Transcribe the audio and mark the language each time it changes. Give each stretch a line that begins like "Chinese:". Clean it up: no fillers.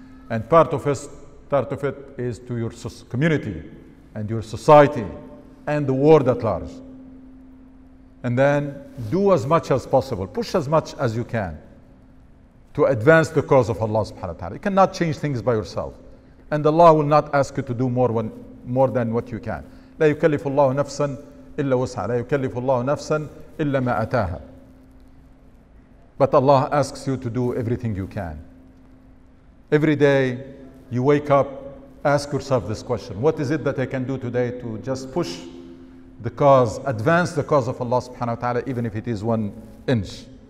English: And part of it is to your community and your society and the world at large. And then do as much as possible, push as much as you can to advance the cause of Allah subhanahu wa ta'ala. You cannot change things by yourself. And Allah will not ask you to do more than what you can.
Arabic: لا يكلف الله نفسا إلا وسعى لا يكلف الله نفسا إلا ما أتاها.
English: But Allah asks you to do everything you can. Every day you wake up, ask yourself this question: what is it that I can do today to just push the cause, advance the cause of Allah subhanahu wa ta'ala, even if it is 1 inch.